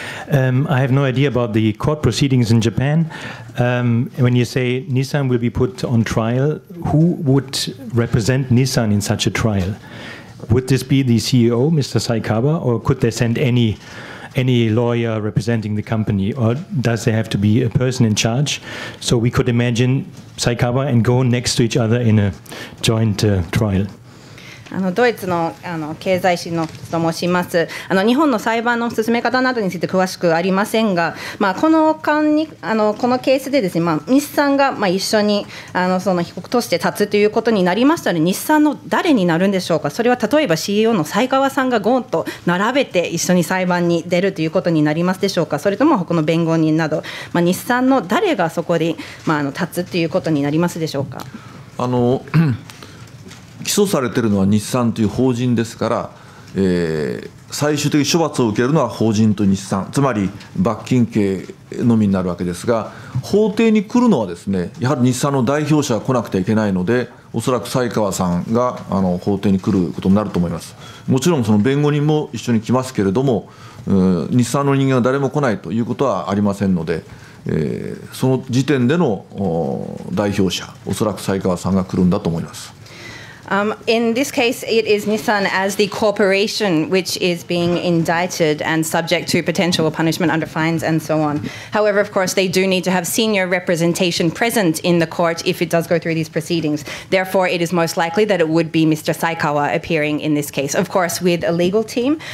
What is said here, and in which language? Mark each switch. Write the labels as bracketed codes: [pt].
[en] I have no idea about the court proceedings in Japan. When you say Nissan will be put on trial, who would represent Nissan in such a trial? Would this be the CEO, Mr. Saikawa, or could they send any lawyer representing the company, or does there have to be a person in charge? So we could imagine Saikawa and Go next to each other in a joint trial. [ja] ドイツ の経済誌のと申します。日本の裁判の進め方などについて詳しくありませんが、まあ、この間にこのケースでですね、日産が一緒にその被告として立つということになりましたので、日産の誰になるんでしょうか。それは例えば CEO の西川さんがゴーンと並べて一緒に裁判に出るということになりますでしょうか。それとも他の弁護人など、日産の誰がそこで、立つということになりますでしょうか。起訴されているのは日産という法人ですから、最終的に処罰を受けるのは法人と日産、つまり罰金刑のみになるわけですが、法廷に来るのはですね、やはり日産の代表者が来なくてはいけないので、おそらく西川さんが法廷に来ることになると思います。もちろんその弁護人も一緒に来ますけれども、日産の人間は誰も来ないということはありませんので、その時点での代表者、おそらく才川さんが来るんだと思います。 [en] In this case, it is Nissan as the corporation which is being indicted and subject to potential punishment under fines and so on. However, of course, they do need to have senior representation present in the court if it does go through these proceedings. Therefore, it is most likely that it would be Mr. Saikawa appearing in this case, of course, with a legal team.